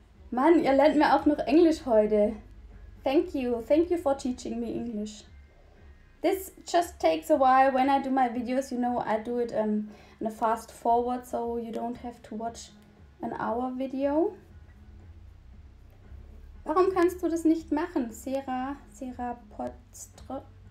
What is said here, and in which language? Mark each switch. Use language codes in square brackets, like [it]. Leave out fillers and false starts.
[de] Mann, ihr lernt mir auch noch Englisch heute. [en] Thank you for teaching me English. This just takes a while when I do my videos, you know, I do it in a fast forward, so you don't have to watch an hour video. [de] Warum kannst du das nicht machen, Sera Potstro?